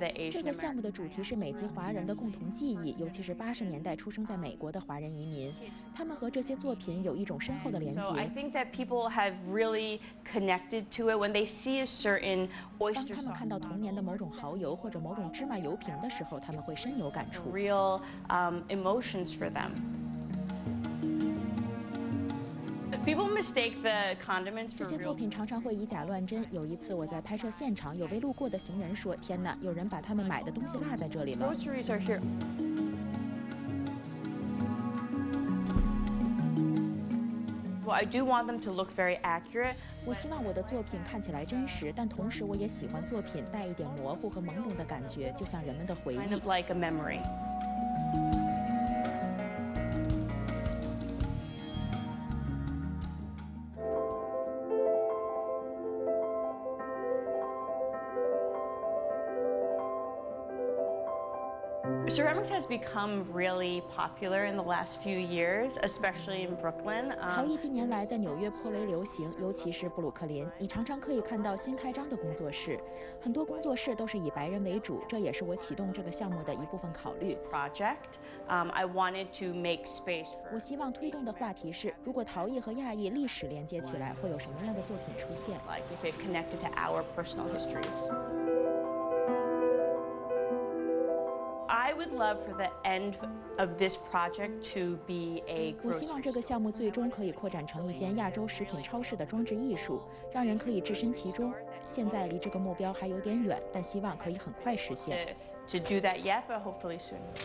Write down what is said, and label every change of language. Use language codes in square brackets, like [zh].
[zh] 这个项目的主题是美籍华人的共同记忆，尤其是80年代出生在美国的华人移民，他们和这些作品有一种深厚的连接。 [en] I think that people have really connected to it when they see a certain oyster. [zh] 当他们看到童年的某种蚝油或者某种芝麻油瓶的时候，他们会深有感触。 [en] Real emotions for them. People mistake the condiments for. [zh] 这些作品常常会以假乱真。有一次我在拍摄现场，有位路过的行人说：“天哪，有人把他们买的东西落在这里了。” [en] Groceries are here. Well, I do want them to look very accurate. [zh] 我希望我的作品看起来真实，但同时我也喜欢作品带一点模糊和朦胧的感觉，就像人们的回忆。 [en] Kind of like a memory. Ceramics has become really popular in the last few years, especially in Brooklyn. [zh] 陶艺近年来在纽约颇为流行，尤其是布鲁克林。你常常可以看到新开张的工作室，很多工作室都是以白人为主，这也是我启动这个项目的一部分考虑。 [en] Project, I wanted to make space for. [zh] 我希望推动的话题是，如果陶艺和亚裔历史连接起来，会有什么样的作品出现 [en] ？Like if it connected to our personal histories. I would love for the end of this project to be a. [zh] 我希望这个项目最终可以扩展成一间亚洲食品超市的装置艺术，让人可以置身其中。现在离这个目标还有点远，但希望可以很快实现。 [en] To do that yet, but hopefully soon.